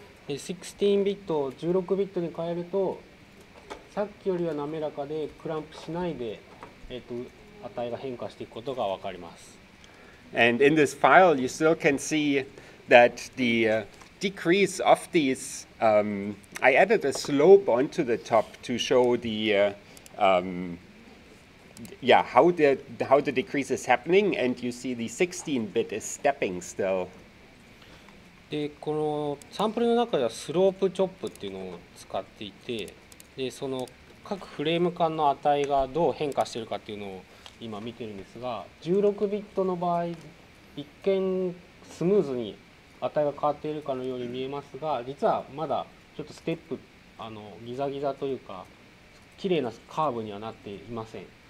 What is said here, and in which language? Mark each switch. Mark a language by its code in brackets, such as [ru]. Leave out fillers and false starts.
[ja] 16-bit を16ビットに変えるとさっきよりは滑らかでクランプしないで、値が変化していくことが分かります。 [en] And in this file, you still can see that the decrease of these, I added a slope onto the top to show the, how the decrease is happening. And you see the 16-bit is stepping still. [ja] で、このサンプルの中ではスロープチョップっていうのを使っていて、で、その各フレーム間の値がどう変化しているかっていうのを今見てるんですが、16ビットの場合一見スムーズに値が変わっているかのように見えますが、実はまだちょっとステップギザギザというか綺麗なカーブにはなっていません。